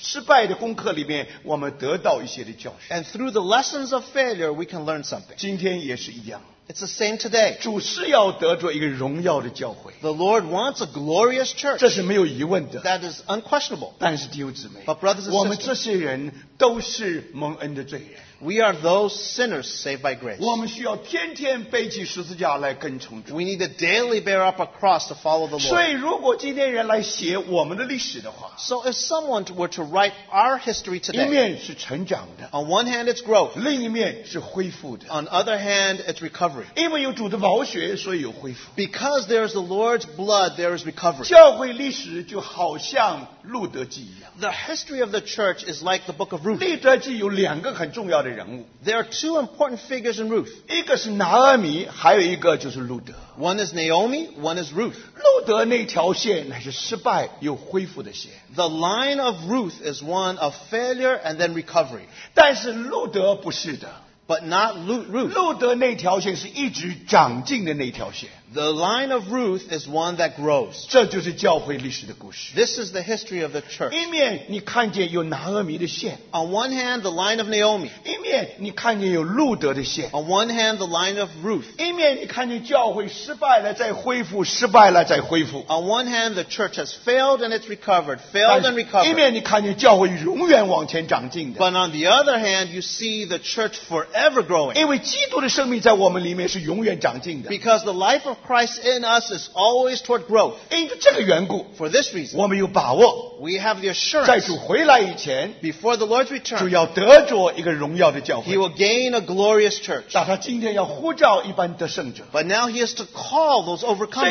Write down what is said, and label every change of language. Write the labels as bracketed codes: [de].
[zh] 那么我们要从这些失败的功课里面，我们得到一些的教训。 [en] And through the lessons of failure, we can learn something. [zh] 今天也是一样。 [en] It's the same today. [zh] 主是要得着一个荣耀的教会。 [en] The Lord wants a glorious church. [zh] 这是没有疑问的。 [en] That is unquestionable. [zh] 但是弟兄姊妹, [en] but brothers and sisters, [zh] 我们这些人都是蒙恩的罪人。 [en] We are those sinners saved by grace. [zh] 我们需要天天背起十字架来跟从主。 [en] We need to daily bear up a cross to follow the Lord. [zh] 所以如果今天人来写我们的历史的话, [en] so if someone were to write our history today, [zh] 一面是成长的, [en] on one hand it's growth, [zh] 另一面是恢复的, [en] on other hand it's recovery. [zh] 因为有主的宝血，所以有恢复。 [en] Because there is the Lord's blood, there is recovery. [zh] 教会历史就好像 [en] The history of the church is like the book of Ruth. [zh] 历德记有两个很重要的人物。 [en] There are two important figures in Ruth. [zh] 一个是拿俄米, 还有一个就是路德。 [en] One is Naomi, one is Ruth. [zh] 路德那条线乃是失败又恢复的线。 [en] The line of Ruth is one of failure and then recovery. [zh] 但是路德不是的。 [en] but not Ruth. [zh] 路德那条线是一直长进的那条线。 [en] The line of Ruth is one that grows. [zh] 这就是教会历史的故事。 [en] This is the history of the church. [zh] 一面你看见有拿俄米的线。 [en] On one hand, the line of Naomi. [zh] 一面你看见有路德的线。 [en] On one hand, the line of Ruth. [zh] 一面你看见教会失败了再恢复。 [en] On one hand, the church has failed and it's recovered. Failed and recovered. [zh] 一面你看见教会永远往前长进的。 [en] But on the other hand, you see the church forever growing. [zh] 因为基督的生命在我们里面是永远长进的。 [en] Because the life of Christ in us is always toward growth. [zh] 因为这个缘故, [en] For this reason, [zh] 我们有把握, [en] we have the assurance [zh] 在主回来以前, [en] before the Lord's return, [zh] 主要得着一个荣耀的教会, [en] he will gain a glorious church. [zh] 但他今天要呼召一般得胜者, [en] but now he is to call those overcomers.